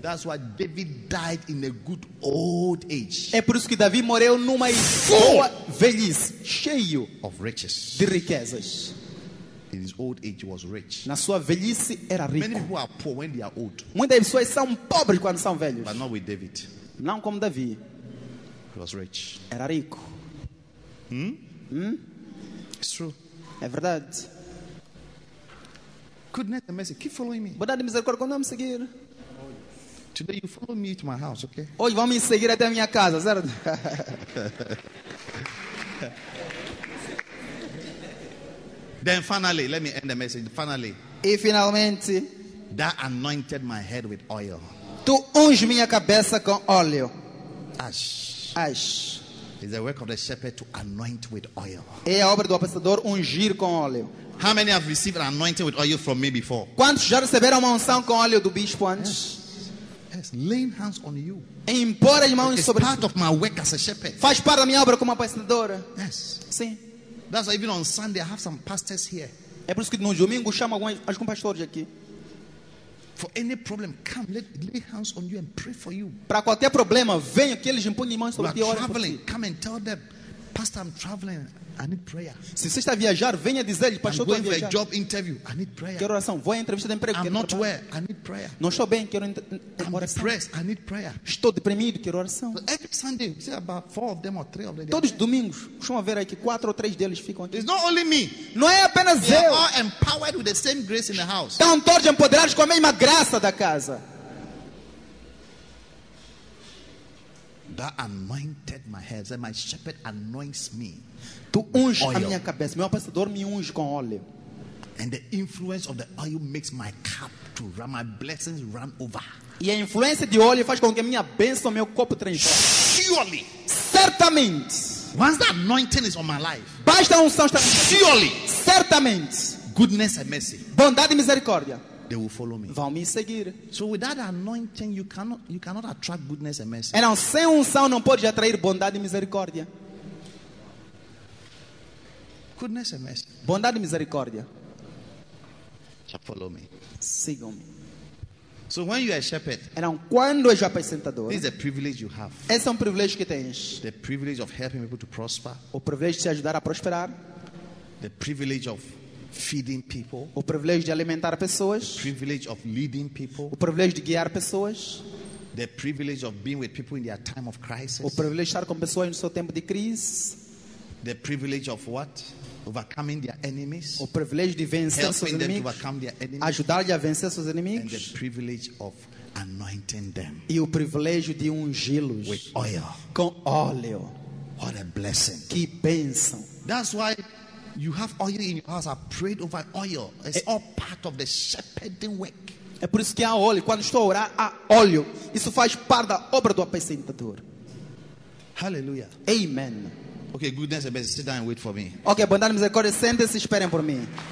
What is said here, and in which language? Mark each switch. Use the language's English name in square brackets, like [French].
[English] That's why David died in a good old age. [Portuguese] É por isso que Davi morreu numa boa velhice, cheio [English] of riches. [Portuguese] De riquezas. [English] In his old age, he was rich. [Portuguese] Na sua velhice era rico. [English] Many people are poor when they are old. [Portuguese] Muitas pessoas são pobres quando são velhos. [English] But not with David. [Portuguese] Não como Davi. [English] He was rich. [Portuguese] Era rico. [English] It's true. [Portuguese] É verdade. [English] Goodness and mercy. Keep following me. [Portuguese] Bondade e misericórdia, quando vamos seguir? [English] Today you follow me to my house, okay? [Portuguese] Hoje vamos seguir até a minha casa, certo? [English] Then finally, let me end the message. Finally. [Portuguese] E finalmente. [English] That anointed my head with oil. [Portuguese] Tu unge minha cabeça com óleo. Ash. Ash. [English] It's the work of the shepherd to anoint with oil. [Portuguese] É a obra do apacentador ungir com óleo. [English] How many have received an anointing with oil from me before? [Portuguese] Quantos já receberam uma unção com óleo do bispo antes? [English] Yes, laying hands on you. [Portuguese] Impor as mãos sobre. [English] It's part of my work as a shepherd. [Portuguese] Faz parte da minha obra como apacentador. [English] Yes. [Portuguese] Sim. [English] That's why even on Sunday I have some pastors here. [Portuguese] É por isso que no domingo chamo alguns pastores aqui. [English] For any problem, come, let lay hands on you and pray for you. [Portuguese] Para qualquer problema, venha que eles imponham mãos sobre ti. [English] You are traveling, come and tell them, Pastor, I'm traveling, I need prayer. [Portuguese] Se você está a viajar, venha dizer-lhe, Pastor, [English] I'm going for a job interview, I need prayer. [Portuguese] Quero oração, vou à entrevista de emprego. [English] I'm not well, I need prayer. [Portuguese] Não estou bem, quero [English] oração. I'm depressed, I need prayer. [Portuguese] Estou deprimido, quero oração. [English] Every Sunday, see about four of them or three of them. [Portuguese] Todos os domingos, vamos ver aqui, quatro ou três deles ficam aqui. [English] It's not only me. [Portuguese] Não é apenas eu. [English] They are empowered with the same grace in the house. [Portuguese] Estão todos empoderados com a mesma graça da casa. [English] That anointed my head, and my shepherd anoints me. [Portuguese] Tu unges a minha cabeça, meu pastor me unge com óleo. [English] And the influence of the oil makes my cup to run, my blessings run over. [Portuguese] E a influência de óleo faz com que a minha bênção, meu copo transborde. [English] Surely, [Portuguese] certamente. [English] Once the anointing is on my life, [Portuguese] basta unção estar. [English] Surely, [Portuguese] certamente. [English] Goodness and mercy, [Portuguese] bondade e misericórdia. [English] They will follow me. [Portuguese] Vão me seguir. [English] So without anointing, you cannot attract goodness and mercy. [Portuguese] Então, sem unção, não pode atrair bondade e misericórdia. [English] Goodness and mercy. [Portuguese] Bondade e misericórdia. [English] Just follow me. [Portuguese] Sigam-me. [English] So when you are a shepherd, [Portuguese] então, quando és apacentador, [English] this is a privilege you have. [Portuguese] Esse é privilégio que tens. [English] The privilege of helping people to prosper. [Portuguese] O privilégio de te ajudar a prosperar. [English] The privilege of feeding people. [Portuguese] O privilégio de alimentar pessoas. [English] The privilege of leading people. [Portuguese] O privilégio de guiar pessoas. [English] The privilege of being with people in their time of crisis. [Portuguese] O privilégio de estar com pessoas no seu tempo de crise. [English] The privilege of what? Overcoming their enemies. [Portuguese] O privilégio de vencer [English] helping [Portuguese] seus inimigos. [English] To overcome their enemies. [Portuguese] Ajudar-lhe a vencer seus inimigos. [English] And the privilege of anointing them. [Portuguese] E o privilégio de ungí-los [English] with oil. [Portuguese] Com óleo. [English] What a blessing. [Portuguese] Que bênção. [English] That's why you have oil in your house. I prayed over oil. It's all part of the shepherding work. [Portuguese] É por isso que há óleo. Quando estou a orar, há óleo. Isso faz parte da obra do apacentador. [English] Hallelujah. Amen. Okay, goodness and mercy, sit down and wait for me. [Portuguese] Okay, bondade e misericórdia, sentem-se e esperem por mim.